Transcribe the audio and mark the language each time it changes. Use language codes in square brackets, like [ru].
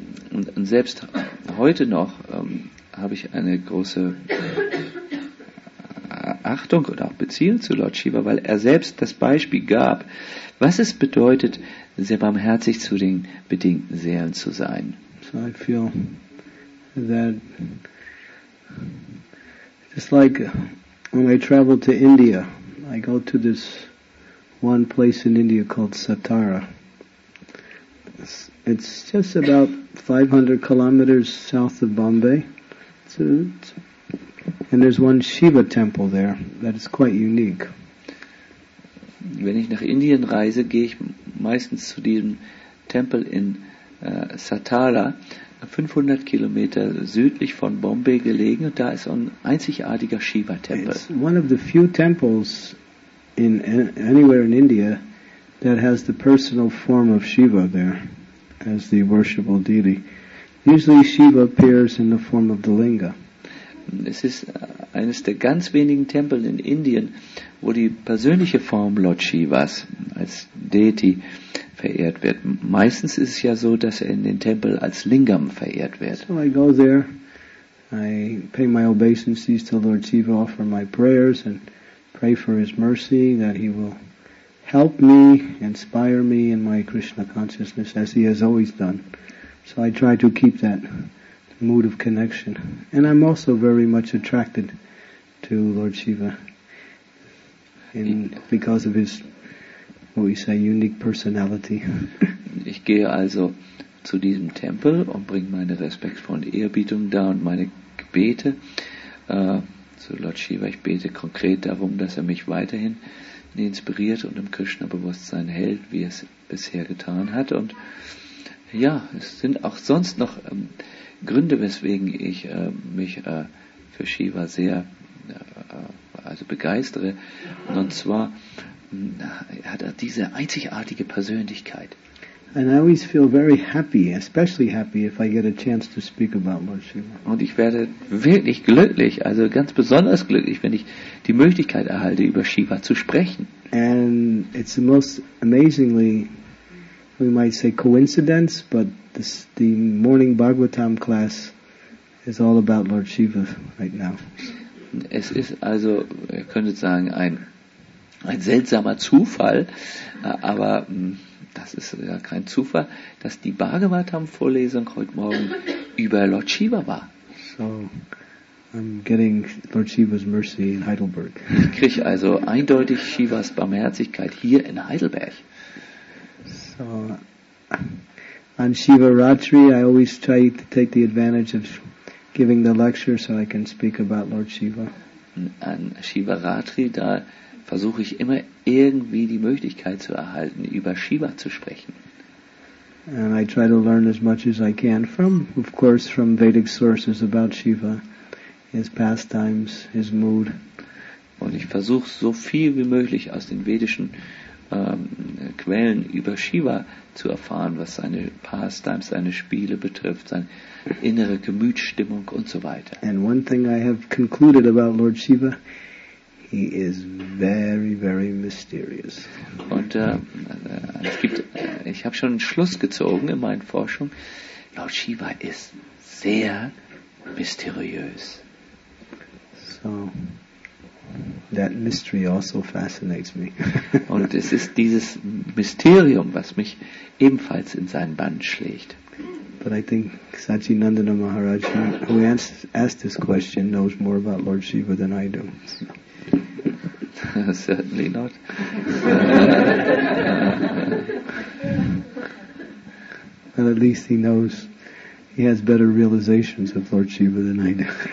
[de] Und selbst heute noch habe ich eine große Achtung und auch Beziehung zu Lord Shiva, weil er selbst das Beispiel gab, was es bedeutet, sehr barmherzig zu den bedingten Seelen zu sein. [en] So I feel that just like when I travel to India, I go to this one place in India called Satara. It's just about 500 kilometers south of Bombay. And there's one Shiva temple there that is quite unique. [de] Wenn ich nach Indien reise, gehe ich meistens zu diesem Tempel in Satara, 500 Kilometer südlich von Bombay gelegen, und da ist ein einzigartiger Shiva-Tempel. [en] It's one of the few temples in anywhere in India that has the personal form of Shiva there as the worshipable deity. Usually Shiva appears in the form of the Linga. [de] Es ist eines der ganz wenigen Tempel in Indien, wo die persönliche Form Lord Shivas als Deity verehrt wird. Meistens ist es ja so, dass er in den Tempel als Lingam verehrt wird. [en] So I go there, I pay my obeisances to Lord Shiva, offer my prayers and pray for his mercy, that he will help me, inspire me in my Krishna consciousness, as he has always done. So I try to keep that mood of connection. And I'm also very much attracted to Lord Shiva because of his, what we say, unique personality. [de] Ich gehe also zu diesem Tempel und bringe meine respektvolle Ehrbietung da und meine Gebete. zu Lord Shiva. Ich bete konkret darum, dass er mich weiterhin inspiriert und im Krishna-Bewusstsein hält, wie er es bisher getan hat. Und ja, es sind auch sonst noch Gründe, weswegen ich mich für Shiva sehr also begeistere. Und zwar hat er diese einzigartige Persönlichkeit. [en] And I always feel very happy, especially happy, if I get a chance to speak about Lord Shiva. [de] Und ich werde wirklich glücklich, also ganz besonders glücklich, wenn ich die Möglichkeit erhalte, über Shiva zu sprechen. [en] And it's the most amazingly, we might say coincidence, but this, the morning Bhagavatam class is all about Lord Shiva right now. [de] Es ist also, ihr könntet sagen, ein seltsamer Zufall, aber das ist ja kein Zufall, dass die Bhagavatam-Vorlesung heute Morgen über Lord Shiva war. [en] So, I'm getting Lord Shiva's mercy in Heidelberg. [de] Ich kriege also eindeutig Shivas Barmherzigkeit hier in Heidelberg. [en] So, on Shiva Ratri, I always try to take the advantage of giving the lecture so I can speak about Lord Shiva. [de] An Shiva Ratri, da versuche ich immer irgendwie die Möglichkeit zu erhalten, über Shiva zu sprechen. [en] And I try to learn as much as I can from, of course, from Vedic sources about Shiva, his pastimes, his mood. [de] Und ich versuche so viel wie möglich aus den vedischen Quellen über Shiva zu erfahren, was seine pastimes, seine Spiele betrifft, seine innere Gemütsstimmung und so weiter. [en] And one thing I have concluded about Lord Shiva, he is very, very mysterious. [de] Und es gibt, ich habe schon einen Schluss gezogen in meinen Forschungen. Lord Shiva ist sehr mysteriös. [en] So, that mystery also fascinates me. [de] Und es ist dieses Mysterium, was mich ebenfalls in seinen Bann schlägt. [en] But I think Satchinandana Maharaj, who asked this question, knows more about Lord Shiva than I do. Certainly not. Well, at least he knows he has better realizations of Lord Shiva than I do.